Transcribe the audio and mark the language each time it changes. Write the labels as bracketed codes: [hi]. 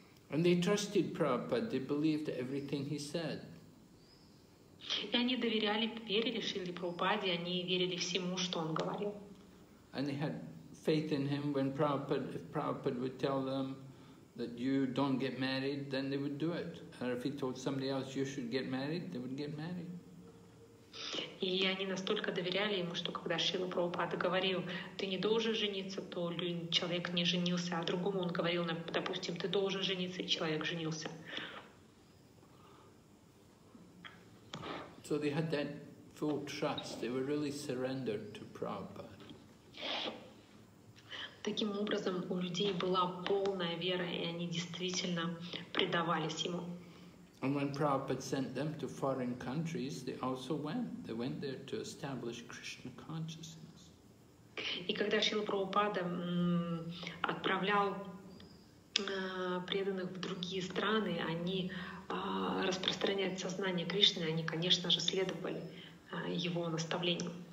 [en] And they trusted Prabhupada, they believed everything he said. [ru] И они доверяли, верили Шриле Прабхупаде, они верили всему, что он говорил. [en] And they had faith in him when Prabhupada would tell them that you don't get married, then they would do it. Or if he told somebody else you should get married, they would get married. [ru] И они настолько доверяли ему, что когда Шрила Прабхупада говорил, ты не должен жениться, то человек не женился, а другому он говорил, допустим, ты должен жениться, и человек женился. [en] So they had that full trust. They were really surrendered to Prabhupada. [ru] Таким образом, у людей была полная вера, и они действительно предавались ему. [en] And when Prabhupada sent them to foreign countries, they also went. They went there to establish Krishna consciousness. [ru] И когда Шрила Прабхупада отправлял преданных в другие страны, они распространяли сознание Кришны, они, конечно же, следовали его наставлениям.